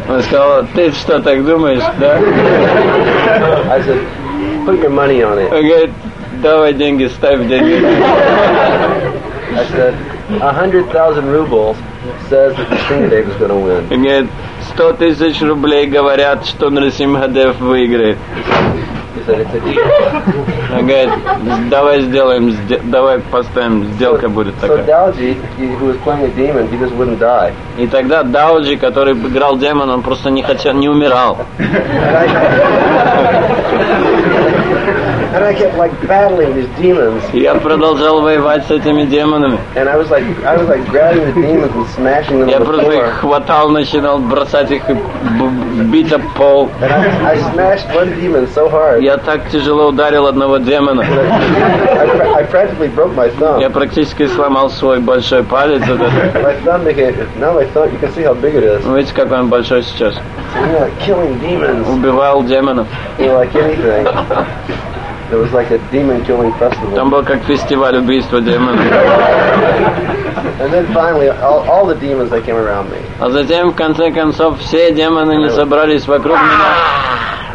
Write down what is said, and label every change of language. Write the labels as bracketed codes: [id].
[ru] Он сказал, ты что так думаешь, да? [en] I said, put your money on it. [ru] Он говорит, давай деньги, ставь деньги. [en] I said, 100,000 rubles says that Nrsimhadeva is going to win. [ru] Он говорит, 100 тысяч рублей говорят, что Нрсимхадев выиграет. Он говорит, давай сделаем, давай поставим, сделка будет такая. [en] So Dalji, who was playing a demon, he just wouldn't die. [ru] И тогда Dalji, который играл демона, он просто не хотел, не умирал. [en] And I battling these demons. [ru] Я продолжал воевать с этими демонами. [en] And I was like grabbing the demons and smashing them. [ru] Я просто их хватал, начинал бросать их и бить об пол. [en] I smashed one demon so hard. [ru] Я так тяжело ударил одного демона. [en] I practically broke my thumb. [ru] Я практически сломал свой большой палец. [en] My thumb, you can see how big it is. [ru] Видите, какой он большой сейчас. [en] Killing demons. [ru] Убивал демонов. [en] Like anything. There was like a demon killing festival. [ru] Там был как фестиваль убийства демонов. [en] And then finally all the demons that came around me. [ru] А затем в конце концов все демоны не собрались вокруг меня.